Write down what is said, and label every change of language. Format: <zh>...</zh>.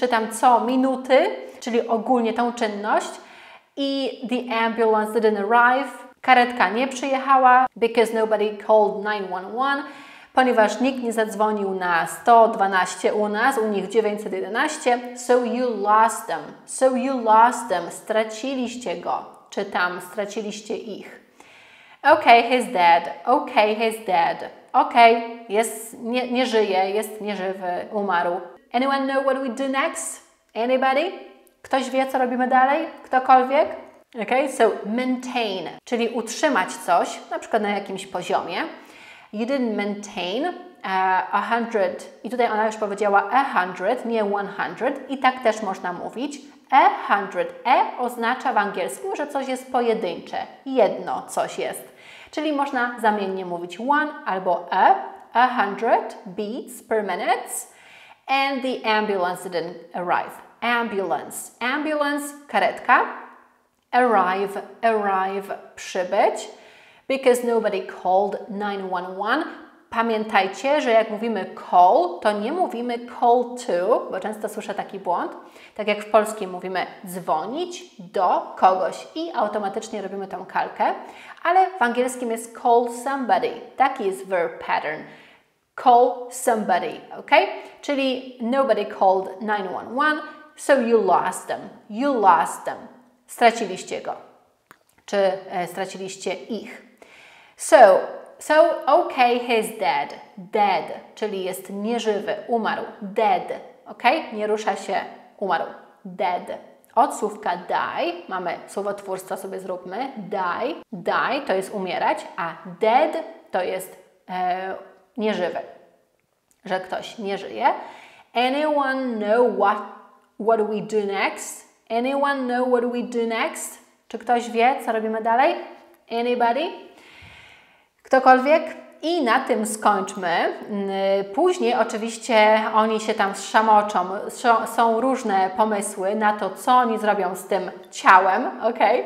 <pl>Co minuty, czyli ogólnie tą czynność.</pl> <en>I the ambulance didn't arrive.</en> <pl>Karetka nie przyjechała.</pl> <en>Because nobody called 911.</en> <pl>Ponieważ nikt nie zadzwonił na 112 u nas, u nich 911.</pl> <en>So you lost them. So you lost them.</en> <pl>Straciliście go. Czy tam straciliście ich.</pl> <en>Okay, he's dead. Okay, he's dead.</en> <pl>Okay, jest, nie żyje, jest nieżywy, umarł.</pl> <en>Anyone know what we do next? Anybody?</en> <pl>Ktoś wie, co robimy dalej? Ktokolwiek?</pl> <en>Okay, so maintain,</en> <pl>czyli utrzymać coś, na przykład na jakimś poziomie.</pl> <en>You didn't maintain 100.</en> <pl>I tutaj ona już powiedziała 100, nie 100. I tak też można mówić.</pl> <en>A hundred.</en> <pl>E oznacza w angielskim, że coś jest pojedyncze. Jedno coś jest. Czyli można zamiennie mówić one albo</pl> <en>a hundred beats per minute. And the ambulance didn't arrive. Ambulance. Ambulance, karetka. Arrive. Arrive, przybyć. Because nobody called 911.</en> <pl>Pamiętajcie, że jak mówimy call, to nie mówimy call to, bo często słyszę taki błąd. Tak jak w polskim mówimy dzwonić do kogoś i automatycznie robimy tą kalkę, ale w angielskim jest call somebody. Taki jest verb pattern. Call somebody, ok?</pl> <en>Czyli nobody called 911, so you lost them. You lost them.</en> <pl>Straciliście go. Czy straciliście ich.</pl> <en>So, okay, he's dead.</en> <pl>Dead, czyli jest nieżywy, umarł. Dead, ok? Nie rusza się, umarł. Dead. Od słówka die, mamy słowotwórstwo, sobie zróbmy. Die, die to jest umierać, a dead to jest nieżywy, że ktoś nie żyje.</pl> <en>Anyone know what we do next? Anyone know what we do next?</en> <pl>Czy ktoś wie, co robimy dalej? Anybody? Ktokolwiek? I na tym skończmy. Później oczywiście oni się tam szamoczą. Są różne pomysły na to, co oni zrobią z tym ciałem, ok?</pl>